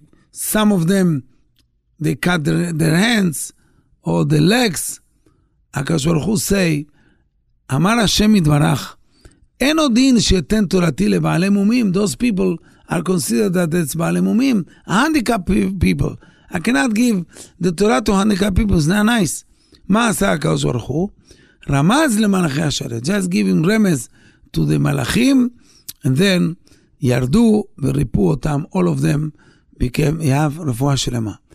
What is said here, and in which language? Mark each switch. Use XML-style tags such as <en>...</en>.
<en>Some of them, they cut their hands or their legs.</en> <he>הקדוש ברוך הוא say, אמר השם יתברך, אין עוד דין שיתן תורתי לבעלי מומים.</he> <en>Those people are considered that it's בעלי מומים. Handicapped people. I cannot give the Torah to handicapped people. It's not nice.</en> <he>מה עשה הקדוש ברוך הוא? רמז למלאכי השרת.</he> <en>Just giving רמז to the מלאכים, and then</en> <he>ירדו וריפו אותם,</he> <en>all of them became, you have</en> <he>רפואה שלמה.</he>